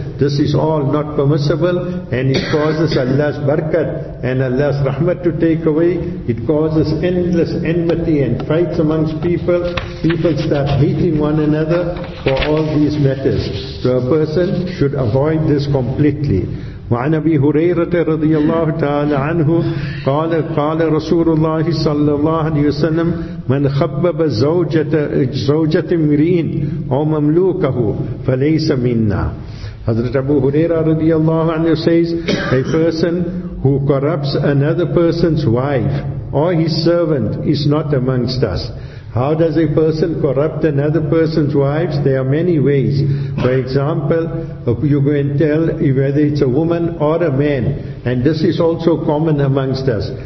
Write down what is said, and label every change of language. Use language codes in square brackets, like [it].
[en] This is all not permissible, and it causes Allah's barakat and Allah's rahmat to take away. It causes endless enmity and fights amongst people. People start hating one another for all these matters. So a person should avoid this completely. [ar] وعن أبي هريرة رضي الله تعالى عنه قال قال رسول الله صلى الله عليه وسلم من خبب زوجة امرئ أو مملوكه فليس منا. [en] Hazrat Abu Huraira radiallahu anhu says, a person who corrupts another person's wife or his servant is not amongst us. How does a person corrupt another person's wives? There are many ways. For example, you go and tell whether it's a woman or a man, and this is also common amongst us.